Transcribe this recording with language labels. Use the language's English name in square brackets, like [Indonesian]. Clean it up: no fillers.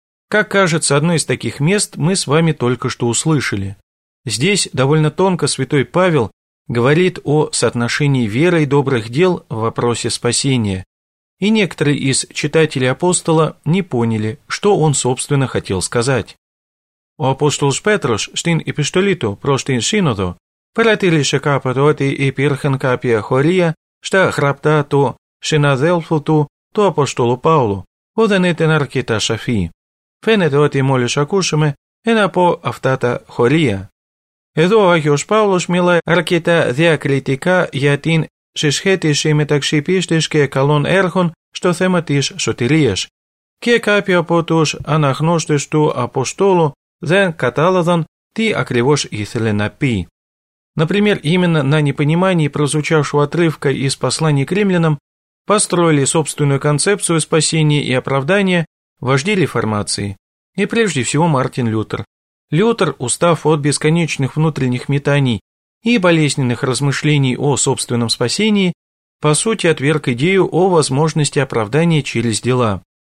[Russian] Как кажется, одно из таких мест мы с вами только что услышали. Здесь довольно тонко святой Павел говорит о соотношении веры и добрых дел в вопросе спасения. И некоторые из читателей апостола не поняли, что он, собственно, хотел сказать. [Greek] Ο Απόστολος Πέτρος στην επιστολή του προς την Σύνοδο παρατήρησε κάποτε ότι υπήρχαν κάποια χωρία Στα γραπτά του συναδέλφου του, του Αποστόλου Παύλου, που δεν ήταν αρκετά σαφή. Φαίνεται ότι μόλις ακούσουμε ένα από αυτά τα χωρία. Εδώ ο Άγιος Παύλος μιλά αρκετά διακριτικά για την συσχέτιση μεταξύ πίστης και καλών έργων στο θέμα της σωτηρίας. Και κάποιοι από τους αναγνώστες του Αποστόλου δεν κατάλαβαν τι ακριβώς ήθελε να πει. [Russian] Например, именно на непонимании прозвучавшего отрывка из послания к римлянам построили собственную концепцию спасения и оправдания вожди реформации, и прежде всего Мартин Лютер. Лютер, устав от бесконечных внутренних метаний и болезненных размышлений о собственном спасении, по сути отверг идею о возможности оправдания через дела.